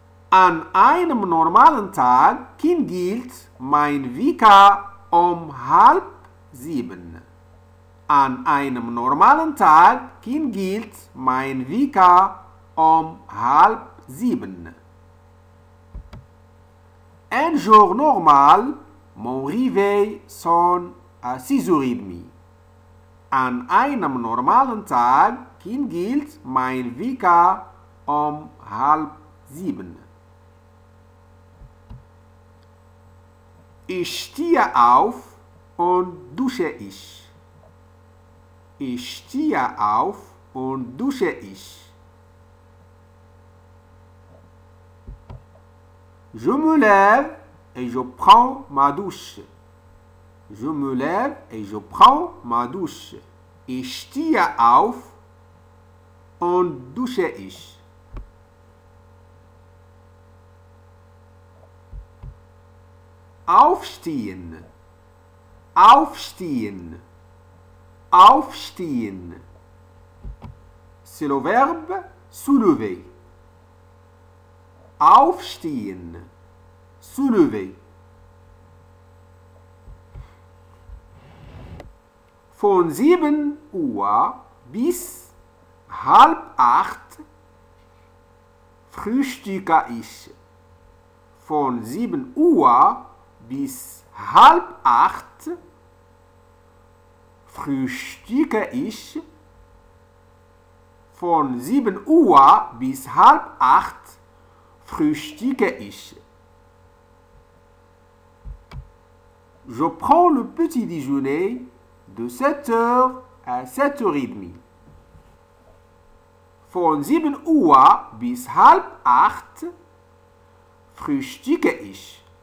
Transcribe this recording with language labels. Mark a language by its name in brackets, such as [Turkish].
[German] An einem normalen Tag klingelt mein Wecker halb sieben. An einem normalen Tag klingelt mein Wecker halb sieben. [French] Un jour normal, mon réveil sonne à 6h30. [German] An einem normalen Tag klingelt mein Wecker halb sieben. Ich stehe auf und dusche ich. Ich stehe auf und dusche ich. [French] Je me lève et je prends ma douche. Je me lève et je prends ma douche. [German] Ich stehe auf und dusche ich. Aufstehen. Aufstehen. [French] Aufstehen. C'est le verbe soulever. [German] Aufstehen. Soulever. Von 7 Uhr bis halb 8 frühstücke ich. Von 7 Uhr bis halb 8 frühstücke ich. Von 7 Uhr bis halb 8 frühstücke ich. [French] Je prends le petit déjeuner de 7h à 7h30. [German] Von 7 Uhr bis halb 8 frühstücke ich.